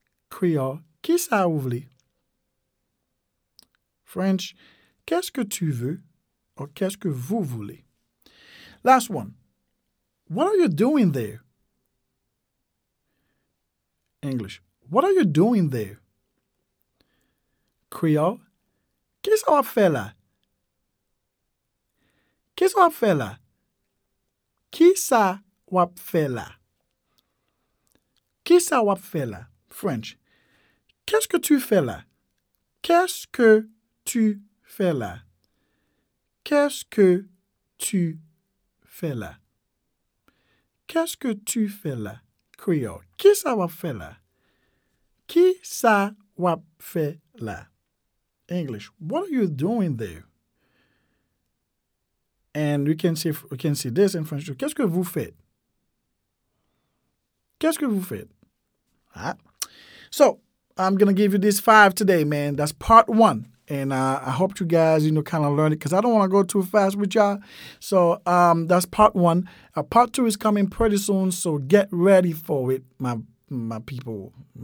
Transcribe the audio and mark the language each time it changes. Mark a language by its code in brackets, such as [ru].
[fr] Creole, qu'est-ce que vous voulez? French, qu'est-ce que tu veux? Or, qu'est-ce que vous voulez? [en] Last one. What are you doing there? English. What are you doing there? [fr] Creole. Qu'est-ce que tu fais là? Qu'est-ce que tu fais là? Qu'est-ce que tu fais là? Qu'est-ce que tu fais là? French. Qu'est-ce que tu fais là? Qu'est-ce que tu fais là? Qu'est-ce que tu fais là. Qu'est-ce que tu fais là? Creole. Qui ça va faire là? Qui ça va faire là? [en] English. What are you doing there? And we can say this in French. [fr] Qu'est-ce que vous faites? Qu'est-ce que vous faites? [en] All right. So I'm going to give you these five today, man. That's part one. And I hope you guys, you know, kind of learn it because I don't want to go too fast with y'all. So that's part one. Part two is coming pretty soon. So get ready for it, my people.